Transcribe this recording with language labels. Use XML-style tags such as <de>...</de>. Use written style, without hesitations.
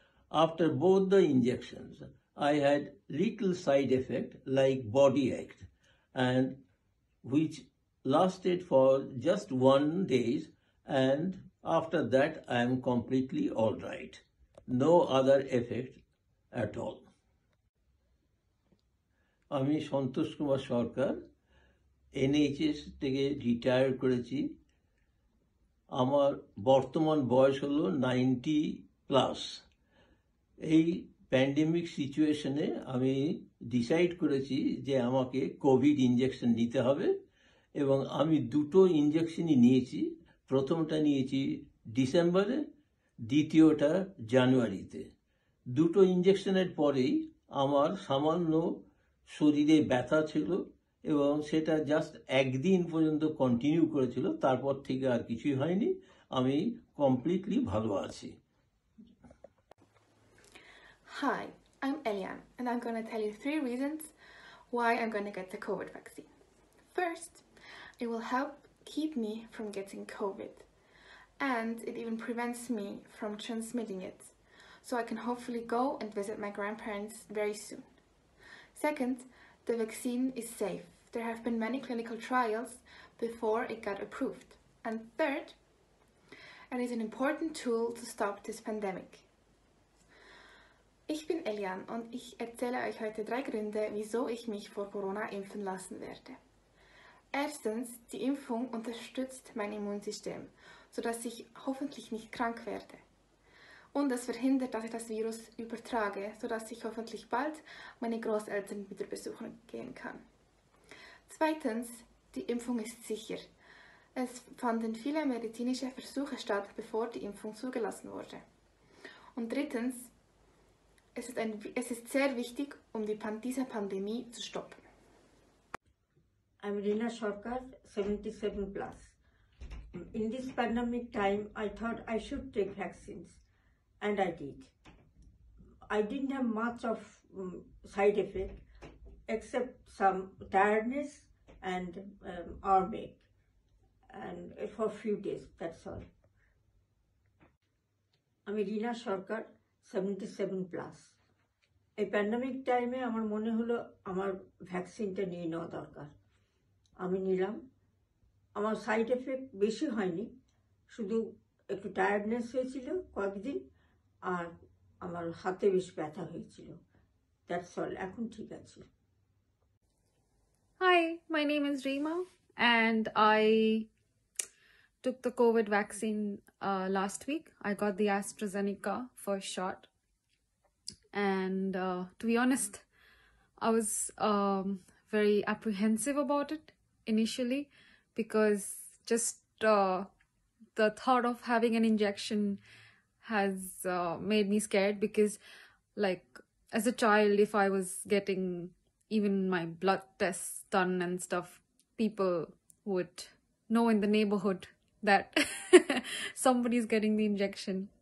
<en>After both the injections, I had little side effect like body ache, and which lasted for just 1 day, and after that I am completely all right. No other effect at all.</en> <bn>আমি সন্তোষ কুমার সরকার, NHS থেকে retire করেছি। আমার বর্তমান বয়স হলো 90 plus. এই pandemic সিচুয়েশনে আমি ডিসাইড করেছি যে আমাকে কোভিড ইনজেকশন নিতে হবে এবং আমি দুটো ইনজেকশনই নিয়েছি। প্রথমটা নিয়েছি ডিসেম্বরে, দ্বিতীয়টা জানুয়ারিতে। দুটো ইনজেকশনের পরেই আমার সামান্য শরীরে ব্যথা ছিল এবং সেটা জাস্ট একদিন পর্যন্ত কন্টিনিউ করেছিল, তারপর থেকে আর কিছুই হয়নি, আমি কমপ্লিটলি ভালো আছি।</bn> <en>Hi, I'm Eliane, and I'm going to tell you three reasons why I'm going to get the COVID vaccine. First, it will help keep me from getting COVID, and it even prevents me from transmitting it, so I can hopefully go and visit my grandparents very soon. Second, the vaccine is safe. There have been many clinical trials before it got approved. And third, it is an important tool to stop this pandemic.</en> <de>Ich bin Elian und ich erzähle euch heute drei Gründe, wieso ich mich vor Corona impfen lassen werde. Erstens, die Impfung unterstützt mein Immunsystem, sodass ich hoffentlich nicht krank werde. Und es verhindert, dass ich das Virus übertrage, sodass ich hoffentlich bald meine Großeltern wieder besuchen gehen kann. Zweitens, die Impfung ist sicher. Es fanden viele medizinische Versuche statt, bevor die Impfung zugelassen wurde. Und drittens, es ist sehr wichtig, um diese Pandemie zu stoppen.</de> <en>I'm Rina Sarkar, 77 plus. In this pandemic time, I thought I should take vaccines, and I did. I didn't have much of side effect, except some tiredness and arm ache, and for a few days, that's all. I'm Rina Sarkar, 77 plus.</en> <bn>এই pandemic টাইমে আমার মনে হলো আমার ভ্যাকসিনটা নিয়ে নেওয়া দরকার। আমি নিলাম, আমার সাইড এফেক্ট বেশি হয়নি, শুধু একটু টায়ার্ডনেস হয়েছিল কয়েকদিন, আর আমার হাতে বেশ ব্যথা হয়েছিল,</bn> <en>that's all,</en> <bn>এখন ঠিক আছে।</bn> <en>Hi, my name is Rima and I took the COVID vaccine last week, I got the AstraZeneca first shot. And to be honest, I was very apprehensive about it initially, because just the thought of having an injection has made me scared, because like as a child, if I was getting even my blood tests done and stuff, people would know in the neighborhood that somebody's getting the injection.</en>